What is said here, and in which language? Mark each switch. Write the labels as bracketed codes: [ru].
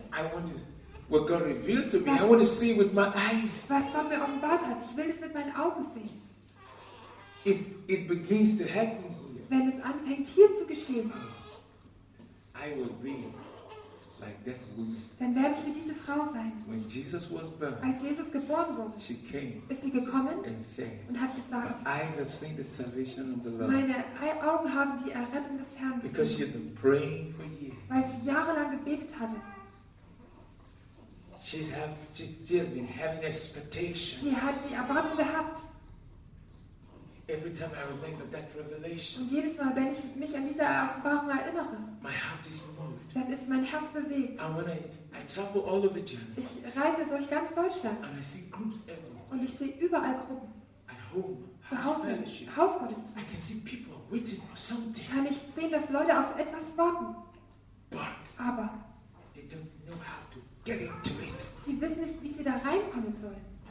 [en] I want to, what God revealed to me, I want to see with my eyes. [de] Was Gott mir offenbart hat, ich will es mit meinen Augen sehen. [en] If it begins to happen here, [de] wenn es anfängt hier zu geschehen, [en] I will be like that woman. [de] Dann werde ich wie diese Frau sein. [en] When Jesus was born, [de] als Jesus geboren wurde, [en] she came, [de] ist sie gekommen [en] and said, [de] und hat gesagt, [en] my eyes have seen the salvation of the Lord. [de] Meine Augen haben die Errettung des Herrn gesehen. [en] Because she had been praying for years. [de] Weil sie jahrelang gebetet hatte. [en] She has been having expectations. [de] Sie hat die Erwartung gehabt. [en] Every time I remember that revelation, [de] und jedes Mal, wenn ich mich an diese Offenbarung erinnere, [en] my heart is moved. [de] Dann ist mein Herz bewegt. [en] And when I travel all over Germany, [de] ich reise durch ganz Deutschland [en] and I see groups everywhere. [de] Und ich sehe überall Gruppen. [en] At home, [de] zu Hause, Hausgottesdienst. [en] I can see people waiting for something. [de] Kann ich sehen, dass Leute auf etwas warten. [en] But [de] aber [en] they don't know how to get into it. [de] Sie wissen nicht, wie sie da reinkommen sollen.